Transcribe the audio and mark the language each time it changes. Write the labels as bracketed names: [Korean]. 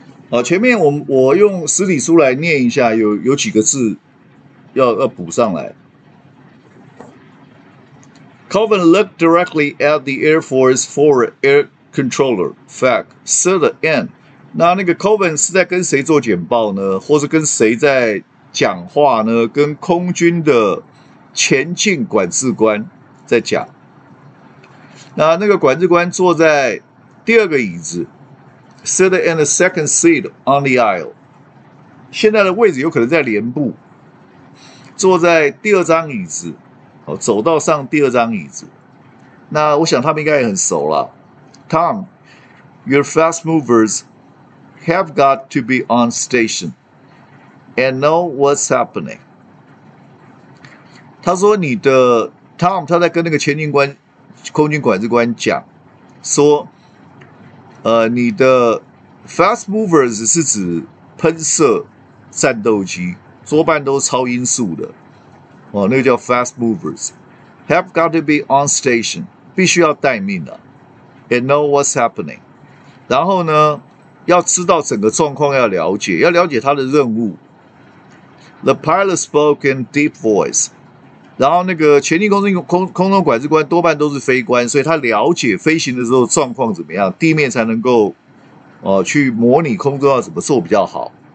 [Chinese] 好，前面我用实体书来念一下，有几个字要补上来。 [English] Colvin looked directly at the Air Force Forward Air Controller, FAC, said the end. [Chinese] 那个 Colvin 是在跟谁做简报呢？或是跟谁在讲话呢？跟空军的前进管制官在讲。那个管制官坐在第二个椅子。 [English] Sit in the second seat on the aisle. [Chinese] 现在的位置有可能在连部，坐在第二张椅子，哦，走道上第二张椅子。那我想他们应该也很熟了。 [English] Tom, your fast movers have got to be on station and know what's happening. [Chinese] 他说你的 Tom 他在跟那个前进官空军管制官讲说。你的 [English] fast movers [Chinese] 是指喷射战斗机，多半都是超音速的，哦，那个叫 fast movers. [English] Have got to be on station, [Chinese] 必须要待命的， [English] and know what's happening. [Chinese] 然后呢，要知道整个状况，要了解他的任务。 [English] The pilot spoke in deep voice. [Chinese] 然后那个前进空中管制官多半都是飞官，所以他了解飞行的时候状况怎么样，地面才能够，去模拟空中要怎么做比较好。